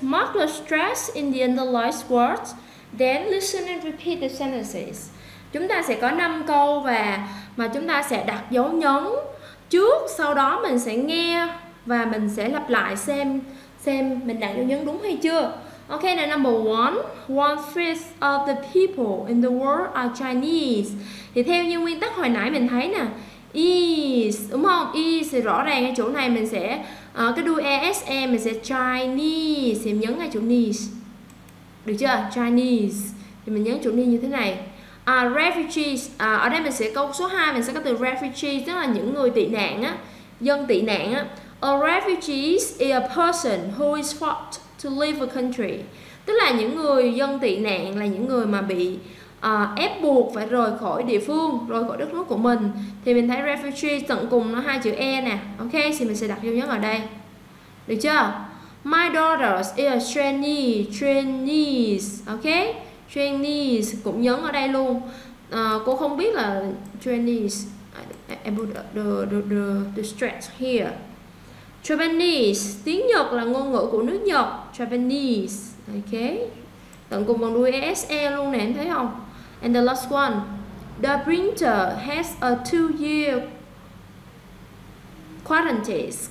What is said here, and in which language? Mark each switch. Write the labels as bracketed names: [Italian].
[English] Mark the stress in the underlined words, then listen and repeat the sentences. [Vietnamese] Chúng ta sẽ có 5 câu và mà chúng ta sẽ đặt dấu nhấn trước, sau đó mình sẽ nghe và mình sẽ lặp lại xem mình đặt dấu nhấn đúng hay chưa. [English] Ok, now number 1. One fifth of the people in the world are Chinese. [Vietnamese] Thì theo như nguyên tắc hồi nãy mình thấy nè, is, đúng không? Is thì rõ ràng ở chỗ này mình sẽ cái đuôi ese mình sẽ Chinese, thì mình nhấn ngay chỗ niche. Được chưa? Chinese. Thì mình nhấn chỗ niche như thế này. Refugees, ở đây mình sẽ câu số 2 mình sẽ có từ refugees, tức là những người tị nạn á, dân tị nạn á. [English] A refugees is a person who is forced to leave a country. [Vietnamese] Tức là những người dân tị nạn là những người mà bị ép buộc phải rời khỏi địa phương, rời khỏi đất nước của mình. Thì mình thấy refugee tận cùng nó hai chữ E nè. Ok, thì mình sẽ đặt dấu nhấn ở đây. Được chưa? [English] My daughter is a trainee. [Vietnamese] Ok, trainee cũng nhấn ở đây luôn. Cô không biết là trainee. Em [English] put the stress here. [Vietnamese] Japanese, tiếng Nhật là ngôn ngữ của nước Nhật. Japanese. Ok, tận cùng bằng đuôi ese luôn nè, em thấy không? [English] And the last one, the printer has a 2-year quarantine.